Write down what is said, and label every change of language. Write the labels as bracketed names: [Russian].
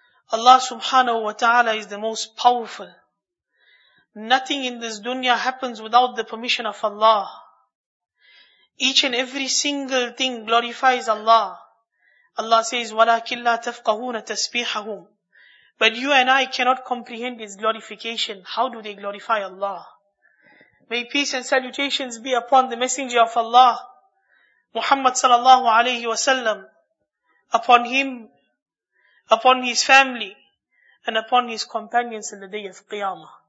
[English] Allah subhanahu wa ta'ala is the most powerful. Nothing in this dunya happens without the permission of Allah. Each and every single thing glorifies Allah. Allah says, [Arabic] وَلَكِنْ لَا تَفْقَهُونَ تَسْبِيحَهُمْ. [English] But you and I cannot comprehend His glorification. How do they glorify Allah? May peace and salutations be upon the Messenger of Allah, Muhammad sallallahu alayhi wa sallam, upon him, upon his family, and upon his companions in the day of Qiyamah.